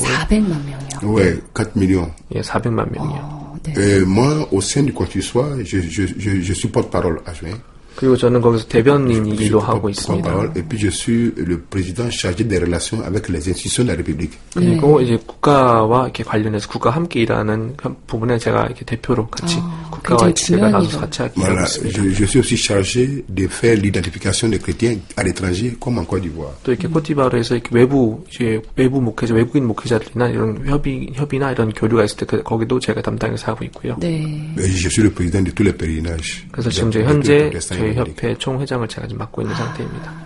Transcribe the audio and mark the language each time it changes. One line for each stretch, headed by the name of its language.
Korean: 400만 명이요? 네, 4 million. 예, 400만 명이요. 네.
French: Et moi, au sein du consistoire, je suis porte-parole adjoint.
Korean: 그리고 저는 거기서 대변인이기도 하고 있습니다.
French: Et puis je suis le président chargé des relations avec les institutions de la République.
Korean: 그리고 네. 이제 국가와 이렇게 관련해서 국가 함께 일하는 부분에 제가 이렇게 대표로 같이 국가와 제가 나서 같이 하고
French: voilà,
Korean: 있습니다.
French: Je suis aussi chargé de faire l'identification des chrétiens à l'étranger comme en Côte d'Ivoire.
Korean: 또 이렇게 코티바르에서 이렇게 외부 목회자, 외국인 목회자들이나 이런 협의나 이런 교류가 있을 때 거기도 제가 담당해서 하고 있고요. 네.
French: Je suis le président de tous les pèlerinages.
Korean: 그래서 지금 제 현재 저희 협회 총 회장을 제가 지금 맡고 있는 상태입니다.